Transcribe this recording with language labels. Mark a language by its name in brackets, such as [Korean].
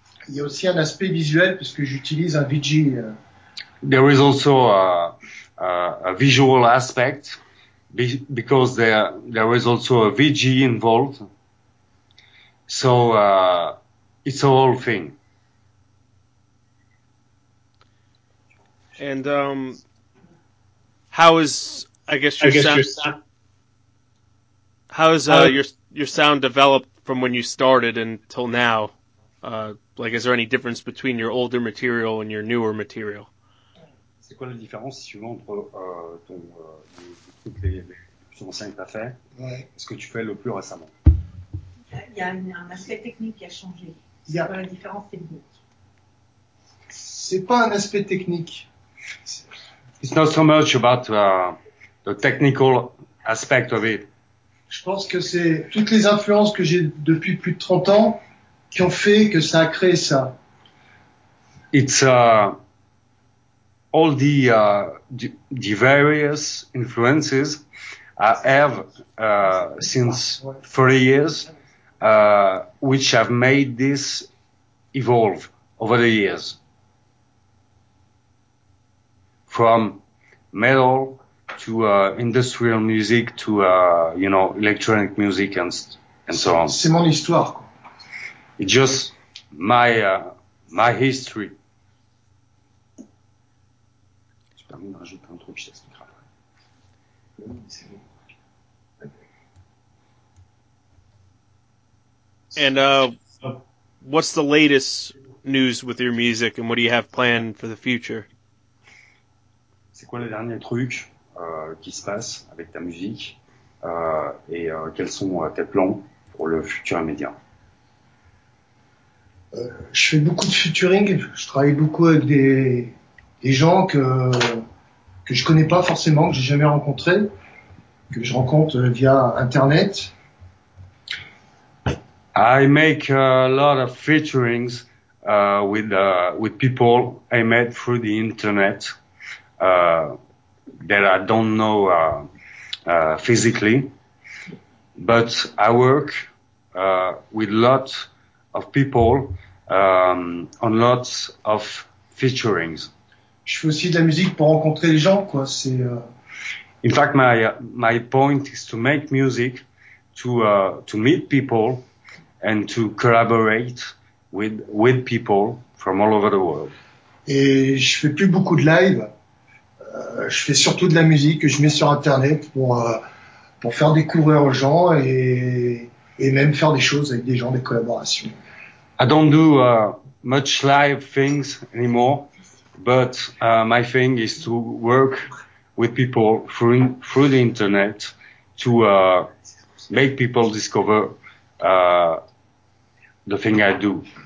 [French] Il y a aussi un aspect visuel parce que j'utilise un VG. [English] There is also a visual aspect because there is also a VG involved. So it's a whole thing. And how is your sound developed? From when you started until now, like, is there any difference between your older material and your newer material? [French] C'est quoi la différence si tu veux entre ton les plus anciens que t'as fait, ouais. Ce que tu fais le plus récemment? Il y a un aspect technique qui a changé. C'est quoi la différence technique? C'est pas un aspect technique. [English] It's not so much about the technical aspect of it. [French] Je pense que c'est toutes les influences que j'ai depuis plus de 30 ans qui ont fait que ça a créé ça. [English] It's all the various influences I have since 30 years which have made this evolve over the years. From metal to industrial music, to you know, electronic music and so on. [French] C'est mon histoire, quoi. [English] It's just my history. [French] Je permets de rajouter un truc, je t'expliquerai après. [English] And what's the latest news with your music, and what do you have planned for the future? [French] C'est quoi le dernier truc? Qui se passe avec ta musique et quels sont tes plans pour le futur immédiat? Je fais beaucoup de futuring, je travaille beaucoup avec des gens que je connais pas forcément, que j'ai jamais rencontré, que je rencontre via internet. [English] I make a lot of featurings with people I met through the internet. That I don't know physically, but I work with lots of people on lots of featurings. [French] Je fais aussi de la musique pour rencontrer les gens, quoi. C'est [English] In fact, my point is to make music, to meet people, and to collaborate with people from all over the world. [French] Et je fais plus beaucoup de live. Je fais surtout de la musique que je mets sur Internet pour faire découvrir aux gens et même faire des choses avec des gens, des collaborations. [English] I don't do much live things anymore, but my thing is to work with people through the Internet to make people discover the thing I do.